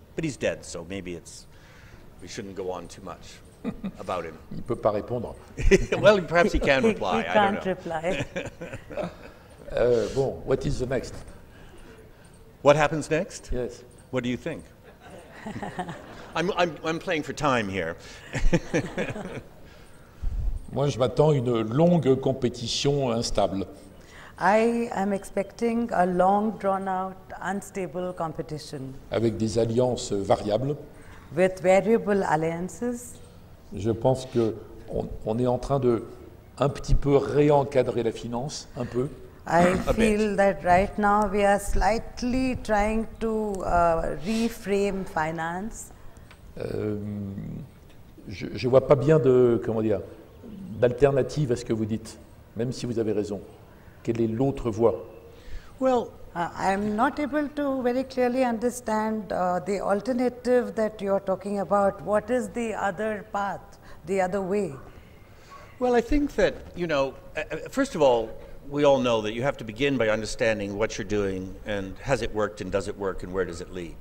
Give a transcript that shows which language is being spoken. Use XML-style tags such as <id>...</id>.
<en>But he's dead, so maybe we shouldn't go on too much about him.</en> <fr>Il peut pas répondre.</fr> <en>Well, perhaps he can reply. He can't reply. Bon, what is the next? What happens next? Yes. What do you think? I'm playing for time here.</en> <fr>Moi, je m'attends à une longue compétition instable.</fr> <en>I am expecting a long, drawn-out, unstable competition.</en> <fr>Avec des alliances variables.</fr> <en>With variable alliances.</en> <fr>Je pense que on est en train de un petit peu réencadrer la finance, un peu.</fr> <en>I feel that right now we are slightly trying to reframe finance.</en> <fr>Je vois pas bien de comment dire d'alternative à ce que vous dites, même si vous avez raison. Quelle est l'autre voie?</fr> <en>Well, I'm not able to very clearly understand the alternative that you're talking about. What is the other path, the other way? Well, I think that, you know, first of all, we all know that you have to begin by understanding what you're doing and has it worked and does it work and where does it lead.</en>